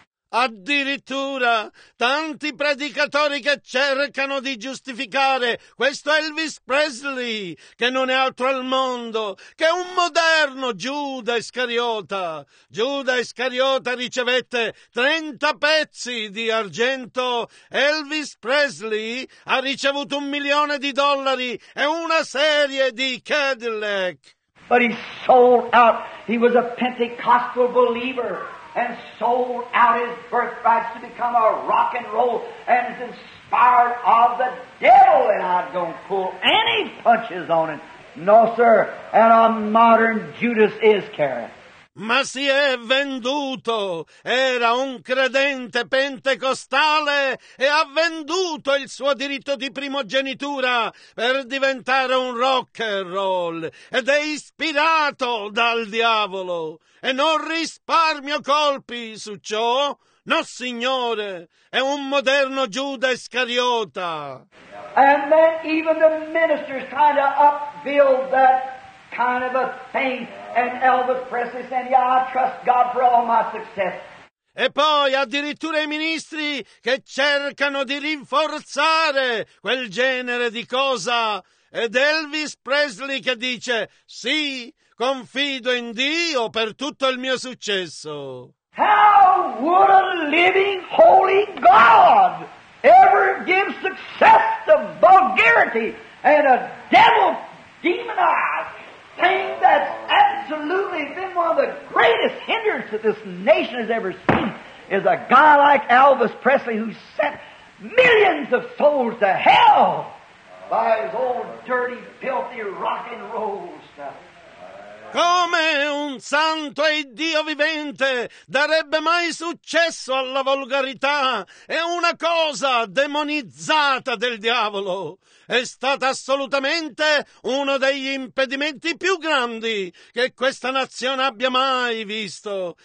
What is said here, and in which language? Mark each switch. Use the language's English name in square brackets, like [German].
[Italian] Addirittura tanti predicatori che cercano di giustificare questo Elvis Presley, che non è altro al mondo che un moderno Giuda Iscariota. Giuda Iscariota ricevette 30 pezzi di argento, Elvis Presley ha ricevuto $1 million e una serie di Cadillac. [English] But he sold out. He was a Pentecostal believer and sold out his birthright to become a rock and roll and is inspired of the devil, and I don't pull any punches on it. No, sir, and a modern Judas Iscariot. [Italian] Ma si è venduto, era un credente pentecostale e ha venduto il suo diritto di primogenitura per diventare un rock and roll ed è ispirato dal diavolo. E non risparmio colpi su ciò, no signore, è un moderno Giuda Iscariota. [English] And then even the ministers kind of upbuild that kind of a thing. And Elvis Presley said, yeah, I trust God for all my success. [Italian] E poi addirittura i ministri che cercano di rinforzare quel genere di cosa. Ed Elvis Presley che dice, sì, confido in Dio per tutto il mio successo. [English] How would a living, holy God ever give success to vulgarity and a devil demonized thing that's absolutely been one of the greatest hindrances that this nation has ever seen is a guy like Elvis Presley who sent millions of souls to hell by his old dirty, filthy rock and roll stuff. [Italian] Come un santo e Dio vivente darebbe mai successo alla volgarità? È una cosa demonizzata del diavolo. È stato assolutamente uno degli impedimenti più grandi che questa nazione abbia mai visto.